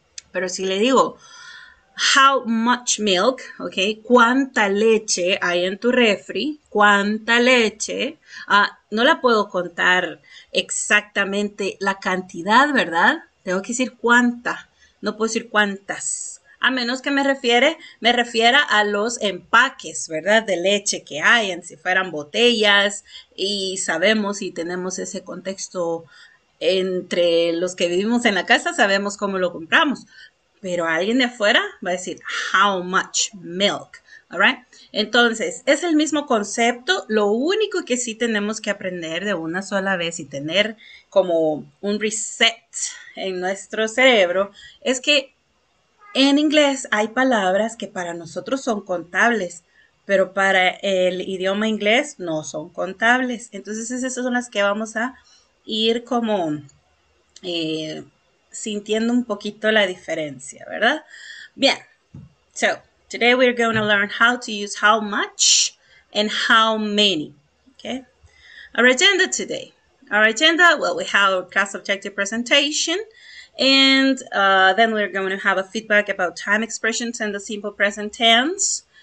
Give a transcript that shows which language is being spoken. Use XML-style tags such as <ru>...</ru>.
<es>Pero si le digo,</es> <en>how much milk,</en> <es>okay? ¿Cuánta leche hay en tu refri? ¿Cuánta leche? Ah, no la puedo contar exactamente la cantidad, ¿verdad? Tengo que decir cuánta. No puedo decir cuántas. A menos que me refiera a los empaques, ¿verdad? De leche que hay, en si fueran botellas, y sabemos y tenemos ese contexto entre los que vivimos en la casa, sabemos cómo lo compramos. Pero alguien de afuera va a decir,</es> <en>how much milk, all right?</en> <es>Entonces, es el mismo concepto. Lo único que sí tenemos que aprender de una sola vez y tener como un reset en nuestro cerebro es que en inglés hay palabras que para nosotros son contables, pero para el idioma inglés no son contables. Entonces esas son las que vamos a ir como sintiendo un poquito la diferencia, ¿verdad?</es> <en>Bien, so today we're going to learn how to use how much and how many, okay? Our agenda today. Our agenda, well, we have our class objective presentation. And then we're going to have a feedback about time expressions and the simple present tense.</en>